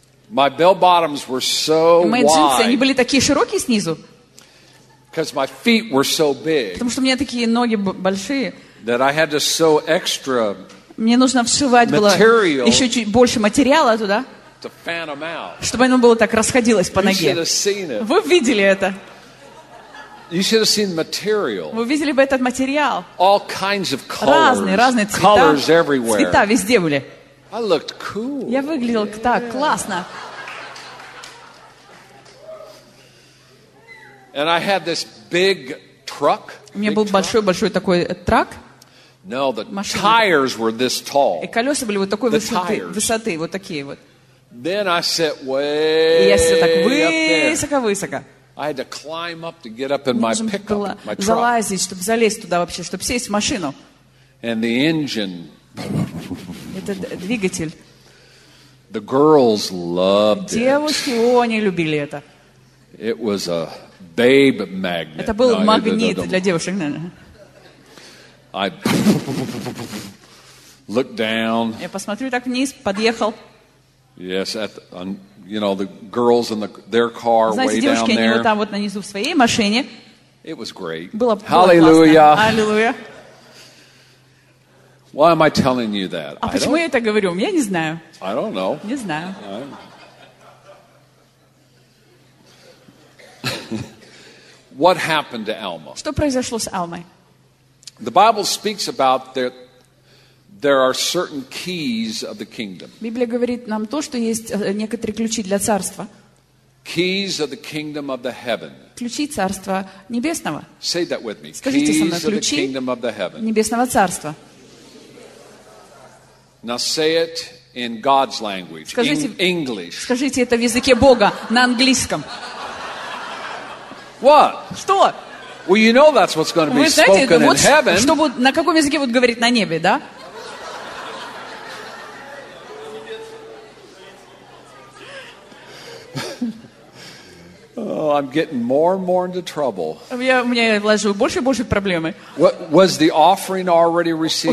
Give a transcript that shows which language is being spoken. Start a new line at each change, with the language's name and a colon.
English: My bell bottoms were so wide.
Russian: Мои джинсы, они были такие широкие снизу.
English: Because my feet were so big.
Russian: Потому что у меня такие ноги большие.
English: That I had to sew extra.
Russian: Мне нужно вшивать было еще чуть больше материала туда.
English: To fan them out.
Russian: Чтобы оно было так расходилось по ноге.
English: You should have seen it.
Russian: Вы видели это?
English: You should have seen material.
Russian: Вы видели бы этот материал?
English: All kinds of colors.
Russian: Разные цвета.
English: Colors everywhere.
Russian: Цвета везде были.
English: I looked cool.
Russian: Я выглядел так классно.
English: And I had this big truck.
Russian: У меня был большой такой трак.
English: No, the tires were this tall.
Russian: И колеса были вот такой высоты, вот такие вот.
English: Then I sat way up there.
Russian: Я сел высоко.
English: I had to climb up to get up in my pickup, my truck.
Russian: Залазить, чтобы залезть туда вообще, чтобы сесть в машину.
English: And the engine.
Russian: Этот двигатель.
English: The girls loved it.
Russian: Девушки, они любили это.
English: It was a babe magnet.
Russian: Это был магнит для девушек, наверное.
English: I looked down.
Russian: Я посмотрю так вниз, подъехал.
English: Yes, at you know, the girls in their car.
Russian: Знаете,
English: way
Russian: девушки,
English: down there.
Russian: Они вот там вот нанизу в своей машине.
English: It was great.
Russian: Было Hallelujah. Классно.
English: Hallelujah. Why am I telling you that?
Russian: А почему я это говорю? Я не знаю.
English: I don't know.
Russian: Не знаю.
English: What happened to Alma?
Russian: Что произошло с Алмой?
English: The Bible speaks about that there are certain keys of the kingdom.
Russian: Библия говорит нам то, что есть некоторые ключи для царства.
English: Keys of the kingdom of the heaven.
Russian: Ключи царства небесного.
English: Say that with me.
Russian: Скажите
English: keys
Russian: со мной. Ключи
English: of the kingdom of the heaven.
Russian: Небесного царства.
English: Now say it in God's language.
Russian: Скажите,
English: in English.
Russian: Скажите это в языке Бога на английском.
English: What?
Russian: Что?
English: Well, you know that's what's going to be spoken
Russian: вот
English: in heaven.
Russian: Что будут, на каком языке будут говорить на небе, да?
English: Oh, I'm getting more and more into trouble.
Russian: Я у меня вложил больше и больше проблемы.
English: What was the offering already received?